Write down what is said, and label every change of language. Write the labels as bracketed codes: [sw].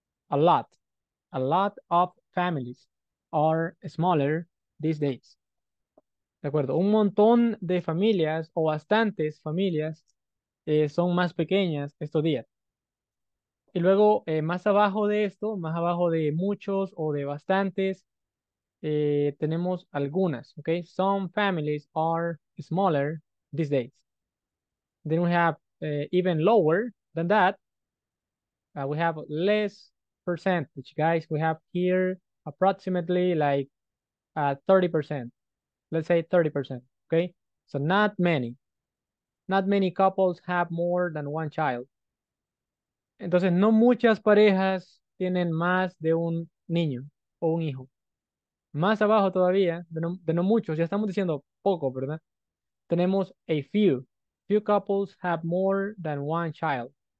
[en] A lot of families are smaller these days. [es] De acuerdo, un montón de familias o bastantes familias son más pequeñas estos días. Y luego, más abajo de esto, más abajo de muchos o de bastantes, tenemos algunas. [en] Okay? Some families are smaller these days. Then we have even lower than that. We have less percentage, guys. We have here approximately like 30%. Let's say 30%, okay? So not many. Not many couples have more than one child. [es] Entonces, no muchas parejas tienen más de un niño o un hijo. Más abajo todavía, de no muchos, ya estamos diciendo poco, ¿verdad? [en] Tenemos a few. Few couples have more than one child.